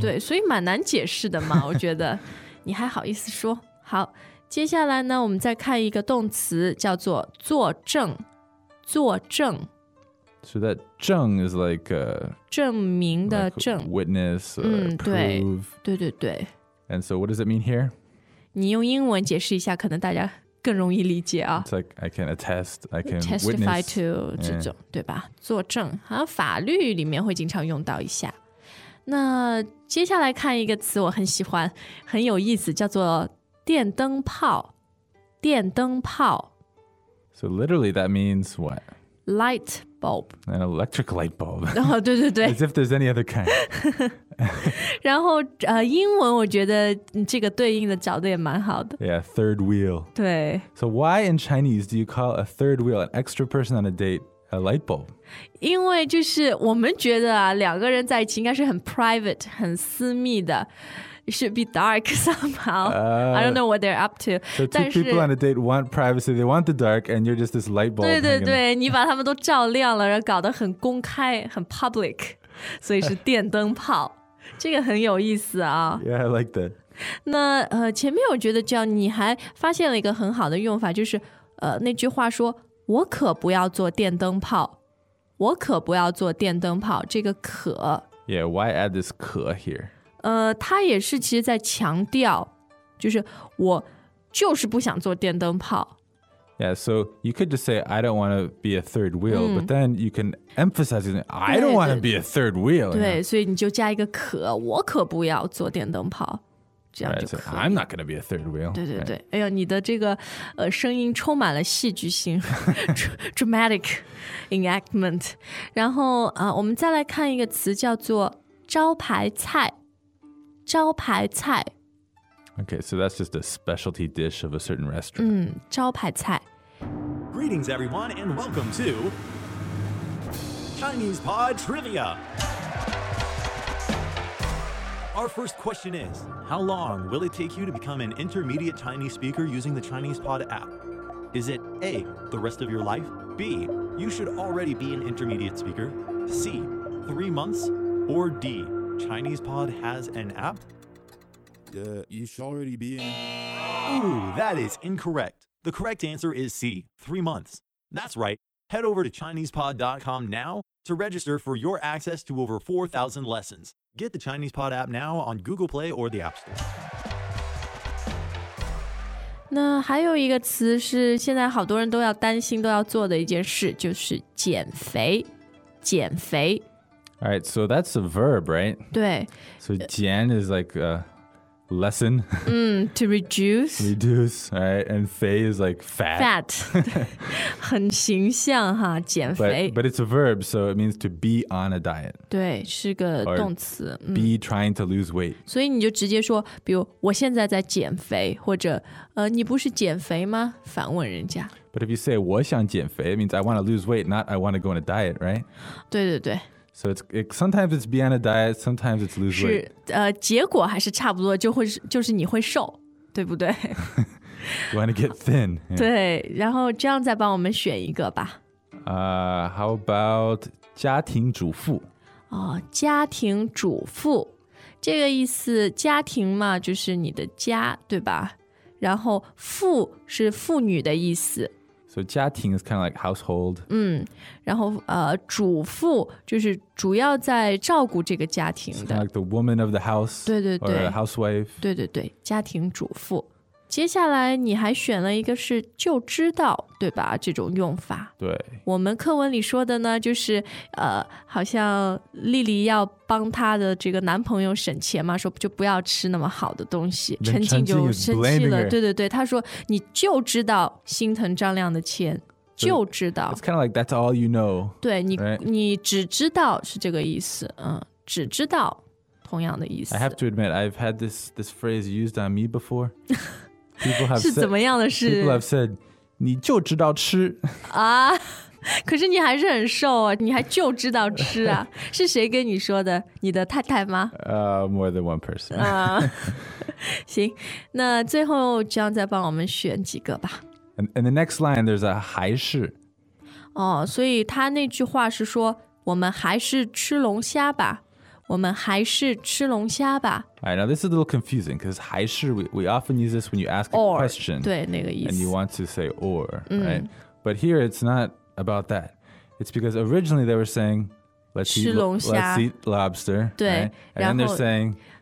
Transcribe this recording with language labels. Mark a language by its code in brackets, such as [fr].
[zh] 对对所以蛮难解释的嘛我觉得你还好意思说好接下来呢我们再看一个动词叫做作证作证 [en] So that 证 is like a [zh] 证明的证、 [en] like、Witness or、嗯、 prove [zh] 对, 对对对 [en] And so what does it mean here? [zh] 你用英文解释一下可能大家更容易理解啊 [en] It's like I can attest I can testify witness Testify to [zh] 这种、 [en] yeah. [zh] 对吧作证好像法律里面会经常用到一下那接下来看一个词我很喜欢很有意思叫做电灯泡电灯泡 [en] So literally that means what? Light bulb An electric light bulb、 [zh] oh, 对对对 [en] As if there's any other kind [zh] 然后、英文我觉得这个对应的角度也蛮好的 [en] Yeah, third wheel [zh] 对 [en] So why in Chinese do you call a third wheel an extra person on a date a light bulb? [zh] 因为就是我们觉得、啊、两个人在一起应该是很 private 很私密的 [en] It should be dark somehow. I don't know what they're up to. So two people on a date want privacy. They want the dark, and you're just this light bulb. [zh] 对对对，你把他们都照亮了，然后搞得很公开，很 public. 所以是电灯泡，这个很有意思啊。 [en] Yeah, I like that. [zh] 那前面我觉得叫你还发现了一个很好的用法，就是那句话说，我可不要做电灯泡，我可不要做电灯泡。这个可。 [en] Yeah, why add this 可 here? [zh] 他也是其实在强调就是我就是不想做电灯泡 [en] Yeah, so you could just say I don't want to be a third wheel、嗯、But then you can emphasize I don't want to be a third wheel you know? [zh] 对所以你就加一个可我可不要做电灯泡这样就可以 [en] right,、so、I'm not going to be a third wheel [zh] 对对对、 [en] right. [zh] 哎呦你的这个声音充满了戏剧性 [en] Dramatic enactment [zh] 然后、我们再来看一个词叫做招牌菜招牌菜 [en] Okay, so that's just a specialty dish of a certain restaurant [zh] 嗯，招牌菜 [en] Greetings everyone and welcome to Chinese Pod Trivia Our first question is, how long will it take you to become an intermediate Chinese speaker using the ChinesePod app? Is it A, the rest of your life? B, you should already be an intermediate speaker? C, 3 months? Or D, ChinesePod has an app? You should already be in... Ooh, that is incorrect. The correct answer is C, 3 months. That's right. Head over to ChinesePod.com now to register for your access to over 4,000 lessons. Get the ChinesePod app now on Google Play or the App Store. [zh] 那还有一个词是现在好多人都要担心都要做的一件事，就是减肥，减肥。 [en] All right, so that's a verb, right? [zh] 对。 [en] So 减 is like a lessen. To reduce. Reduce, right? And 肥 is like fat. [zh] Fat. 很形象哈，减肥。 [en] But it's a verb, so it means to be on a diet. [zh] 对，是个动词。 [en] Be trying to lose weight. [zh] 所以你就直接说，比如我现在在减肥，或者你不是减肥吗？反问人家。 [en] But if you say [zh] 我想减肥, [en] it means I want to lose weight, not I want to go on a diet, right? [zh] 对对对。 [en] So sometimes it's be on a diet, sometimes it's lose weight. [zh] 是,结果还是差不多,就是你会瘦,对不对? [en] You want to get thin. Yeah. [zh] 对,然后这样再帮我们选一个吧。 [en] How about 家庭主妇? [zh] 哦,家庭主妇,这个意思,家庭嘛,就是你的家,对吧? 然后妇是妇女的意思。 [en] So 家庭 is kind of like household. [zh] 然后主妇就是主要在照顾这个家庭的。 [en] It's kind of like the woman of the house. [zh] 对对对。 [en] Or a housewife. [zh] 对对对，家庭主妇。接下来你还选了一个是就知道，对吧？这种用法。对。我们课文里说的呢，就是好像莉莉要帮她的这个男朋友省钱嘛，说就不要吃那么好的东西，陈静就生气了。对对对，她说你就知道心疼张亮的钱。就知道。 [en] It's kind of like that's all you know. [zh] 对，你只知道是这个意思，只知道同样的意思。 [en] I have to admit, I've had this phrase used on me before. People have [zh] 是怎么样的事? [en] People have said, [zh] 你就知道吃。啊，可是你还是很瘦啊，你还就知道吃啊。是谁跟你说的?你的太太吗? [en] More than one person. [zh] 行,那最后这样再帮我们选几个吧。 [en] And the next line, there's a 还是。 [zh] 哦,所以他那句话是说,我们还是吃龙虾吧。我们还是吃龙虾吧。 [en] All right, now this is a little confusing because 还是, we often use this when you ask a question. [zh] 对,那个意思。 [en] And you want to say or, right? But here it's not about that. It's because originally they were saying, let's eat lobster. [zh] 对, [en] right? And then they're saying,